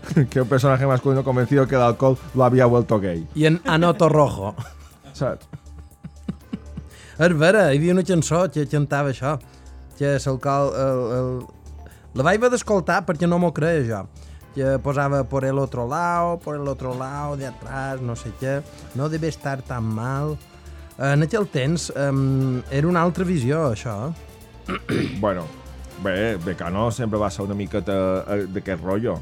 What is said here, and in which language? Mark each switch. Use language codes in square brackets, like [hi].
[es] Que un personaje masculino convencido que el alcohol lo había vuelto gay. Y en Ano Torrojo. [ca] Saps? És vera, hi havia una cançó que cantava això. Que és alcohol... La vaig haver d'escoltar perquè no m'ho creia, jo. Que posava [es] por el otro lado, de atrás, [ca] no sé què. [es] No deve estar tan mal. [ca] En aquell temps, era una altra visió, això. Bueno, bé, Becano sempre va ser una miqueta d'aquest rotllo.